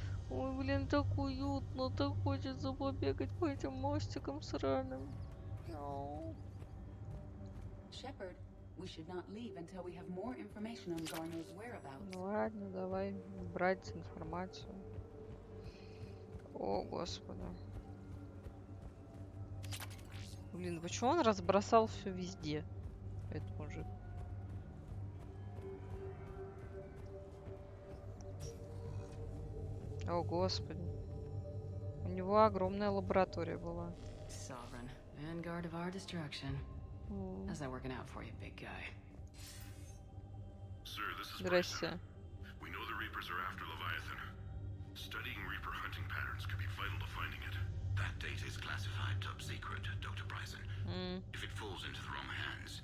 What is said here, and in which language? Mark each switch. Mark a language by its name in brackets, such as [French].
[Russian] Ой, блин, так уютно, так хочется побегать по этим мостикам сраным. [English] Shepard, we should not leave until we have more information on Garneau's whereabouts. [Russian] Ну ладно, давай брать информацию. О, господи. Блин, почему он разбросал все везде? Это мужик. О, господи. У него огромная лаборатория была. [English] Sovereign, vanguard of our destruction. How's that working out for you, big guy? Sir, this is Bryson. We know the Reapers are after Leviathan. Studying Reaper hunting patterns could be vital to finding it. That data is classified top secret, Dr. Bryson. If it falls into the wrong hands...